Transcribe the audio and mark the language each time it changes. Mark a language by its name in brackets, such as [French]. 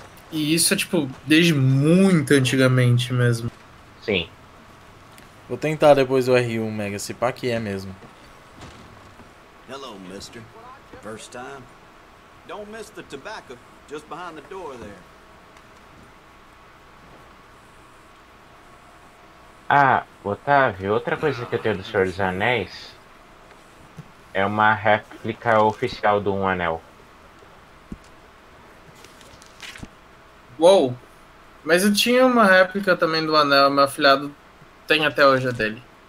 [Portuguese] E isso é tipo desde muito antigamente mesmo. Sim. Vou tentar depois o R1 Mega, se pá que é mesmo. [English] Hello, mister. First time. Don't miss the tobacco just behind the door there. [Portuguese] Ah, Otávio, outra coisa que eu tenho do Senhor dos Anéis é uma réplica oficial do Um Anel. Uou! Mas eu tinha uma réplica também do Anel, meu afilhado tenho até hoje a dele.